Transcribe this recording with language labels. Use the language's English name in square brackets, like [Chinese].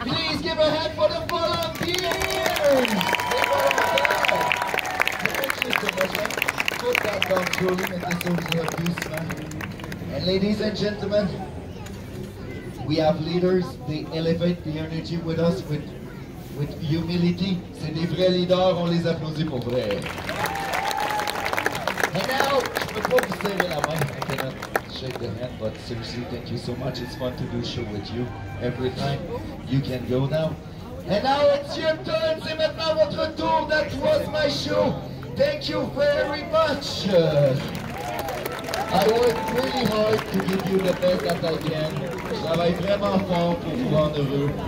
[English] Please give a hand for the volunteers. Thank you so much, man. Put that down truly, and this is your abuse, man. And ladies and gentlemen, we have leaders, they elevate the energy with us with humility. [French] C'est des vrais leaders, on les applaudit pour vrai. [English] And now, [French] je peux pas vous serrer la main. [English] I cannot shake the hand, but seriously, thank you so much. It's fun to do a show with you every time. You can go now. And now it's your turn, [French] c'est maintenant votre tour. [English] That was my show. Thank you very much. I work really hard to give you the best that I can. [French] Je travaille vraiment fort pour vous rendre heureux.